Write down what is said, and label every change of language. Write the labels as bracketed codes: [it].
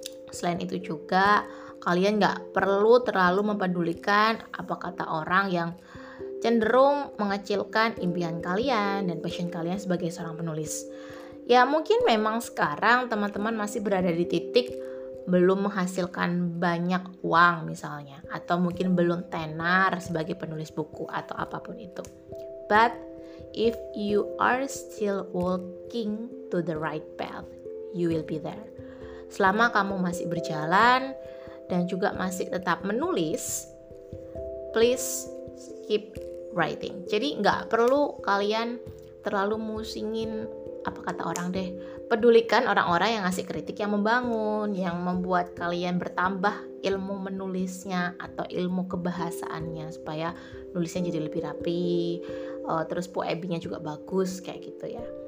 [id] Selain itu juga, kalian gak perlu terlalu mempedulikan apa kata orang yang cenderung mengecilkan impian kalian dan passion kalian sebagai seorang penulis. Ya mungkin memang sekarang teman-teman masih berada di titik belum menghasilkan banyak uang misalnya, atau mungkin belum tenar sebagai penulis buku atau apapun itu. [en] But if you are still walking to the right path, you will be there. [id] Selama kamu masih berjalan dan juga masih tetap menulis, [en] please keep writing. [id] Jadi gak perlu kalian terlalu musingin apa kata orang deh. Pedulikan orang-orang yang ngasih kritik yang membangun, yang membuat kalian bertambah ilmu menulisnya atau ilmu kebahasaannya supaya nulisnya jadi lebih rapi, terus poebinya juga bagus kayak gitu ya.